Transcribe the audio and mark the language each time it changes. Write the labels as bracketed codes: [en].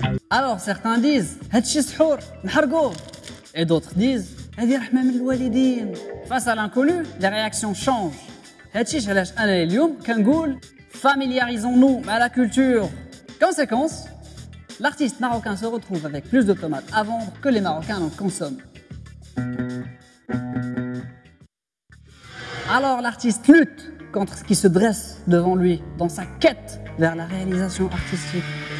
[fr] Alors certains disent [ar] هادشي سحور نحرقو، [fr] et d'autres disent [ar] هادي رحمه من الوالدين. [fr] Face à l'inconnu les réactions changent. [ar] هادشي علاش انا اليوم كنقول [fr] familiarisons-nous à la culture. Conséquence, l'artiste marocain se retrouve avec plus de tomates à vendre que les marocains en consomment. Alors l'artiste lutte contre ce qui se dresse devant lui dans sa quête vers la réalisation artistique.